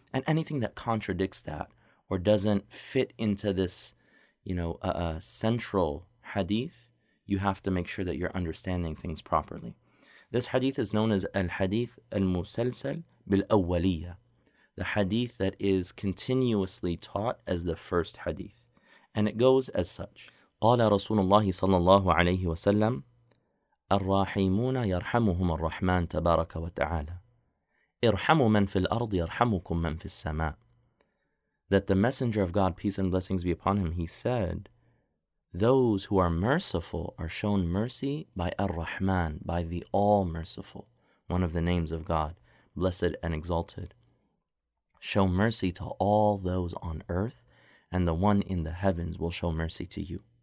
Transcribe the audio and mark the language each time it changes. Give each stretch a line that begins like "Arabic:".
English: And anything that contradicts that or doesn't fit into this, you know, central hadith, you have to make sure that you're understanding things properly. This hadith is known as al-hadith al-musalsal bil-awwaliyya, the hadith that is continuously taught as the first hadith. And it goes as such.
Arabic: قال رسول الله صلى الله عليه وسلم الرحيمون يرحمهم الرحمن تبارك وتعالى ارحموا من في الأرض يرحمكم من في السماء.
English: That the Messenger of God, peace and blessings be upon him, he said, those who are merciful are shown mercy by Ar-Rahman, by the All-Merciful, one of the names of God, blessed and exalted. Show mercy to all those on earth, and the one in the heavens will show mercy to you.